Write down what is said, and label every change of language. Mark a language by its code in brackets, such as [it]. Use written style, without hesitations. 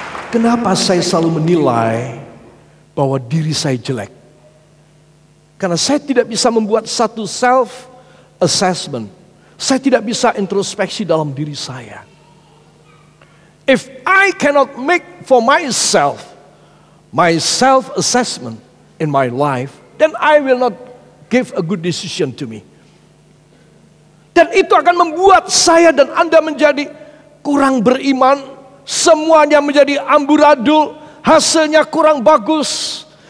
[id] Kenapa saya selalu menilai bahwa diri saya jelek? Karena saya tidak bisa membuat satu self-assessment. Saya tidak bisa introspeksi dalam diri saya. [en] If I cannot make for myself my self-assessment in my life, then I will not give a good decision to me. [id] Dan itu akan membuat saya dan Anda menjadi kurang beriman, semuanya menjadi amburadul, hasilnya kurang bagus.